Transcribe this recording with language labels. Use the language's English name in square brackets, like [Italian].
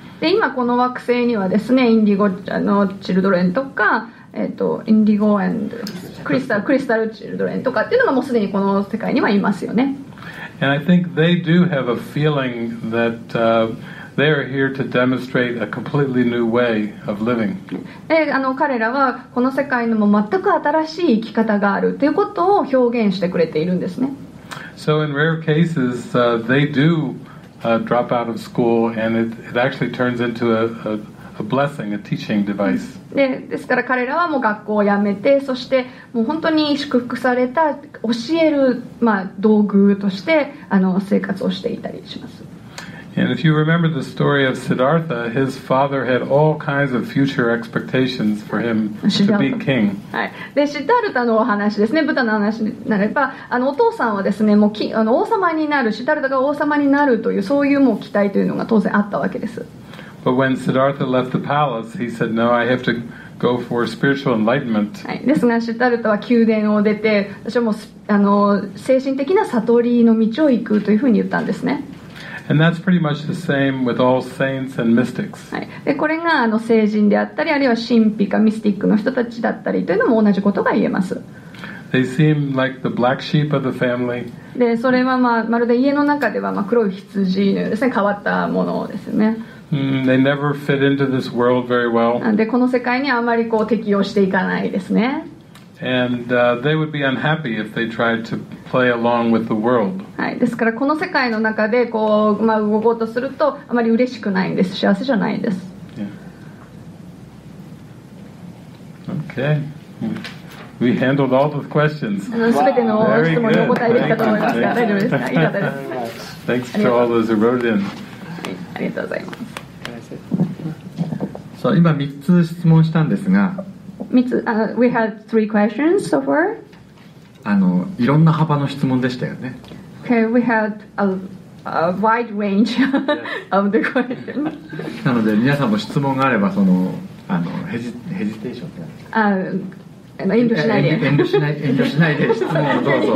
[Japanese] で、今この惑星にはですね、インディゴのチルドレンとか、インディゴ and クリスタルチルドレンとかっていうのがもうすでにこの世界にはいますよね。 [English] And I think they do have a feeling that they are here to demonstrate a completely new way of living. [Japanese] で、あの、彼らはこの世界にも全く新しい生き方があるということを表現してくれているんですね。 [English] So in rare cases, they do drop out of school, and it actually turns into a blessing, a teaching device. [Japanese] で、ですから彼らはもう学校を辞めて、そしてもう本当に祝福された教える、まあ、道具としてあの生活をしていたりします。 [English] And if you remember the story of Siddhartha, his father had all kinds of future expectations for him to be king. [Japanese] はい。で、シッダルタのお話ですね。ブタの話になれば、あの、お父さんはですね、もう、あの、王様になる、シッダルタが王様になるという、そういうもう期待というのが当然あったわけです。 [English] But when Siddhartha left the palace, he said, no, I have to go for spiritual enlightenment. [Japanese] はい。ですが、シッダルタは宮殿を出て、私はもう、あの、精神的な悟りの道を行くというふうに言ったんですね。 [English] And that's pretty much the same with all saints and mystics. [Japanese] で、これがあの聖人であったり、あるいは神秘かミスティックの人たちだったりというのも同じことが言えます。 [English] They seem like the black sheep of the family. [Japanese] で、それはまあまるで家の中ではまあ黒い羊のようですね、変わったものですね。 [English] They never fit into this world very well. [Japanese] で、この世界にあまりこう適応していかないですね。 [English] And they would be unhappy if they tried to play along with the world. [Japanese] はい。ですからこの世界の中でこうまあ動こうとするとあまり嬉しくないんです。幸せじゃないんです。 [English] Yeah. Okay. We handled all the questions. [Japanese] あの、すべての質問にお答えできたと思いますが、大丈夫ですか？良かったです。 [English] Thanks to all those who wrote in. [Japanese] ありがとうございます。さあ、今3つ質問したんですが。 [English] We had three questions so far. [Japanese] あの、いろんな幅の質問でしたよね。 [English] Okay, we had a wide range of the questions. [Japanese] なので、皆さんも質問があれば、その、あの、ヘジテーションの遠慮しないで。遠慮しないで質問をどうぞ。